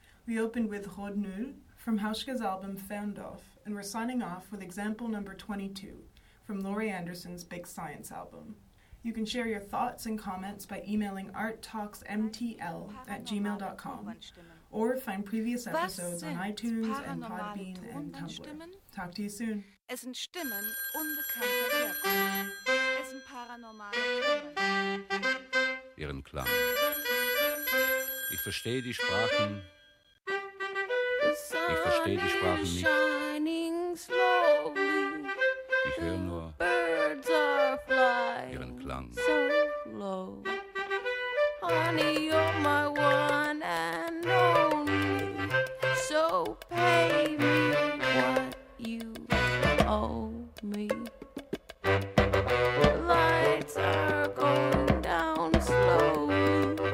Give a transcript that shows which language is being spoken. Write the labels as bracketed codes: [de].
[en] We opened with Rode Nul from Hauschka's album Ferndorf, and we're signing off with example number 22 from Laurie Anderson's Big Science album. You can share your thoughts and comments by emailing arttalksmtl@gmail.com or find previous episodes on iTunes and Podbean and Tumblr. Talk to you soon. [de] Es sind Stimmen unbekannter Herkunft. Es sind paranormale Stimmen. Ihren Klang. Ich verstehe die Sprachen. Ich verstehe die Sprachen nicht. Ich höre nur [en] Birds are flying. [de] Ihren Klang. [en] So low. Honey, you're my one and only. So pay me what you owe me. The lights are going down slowly.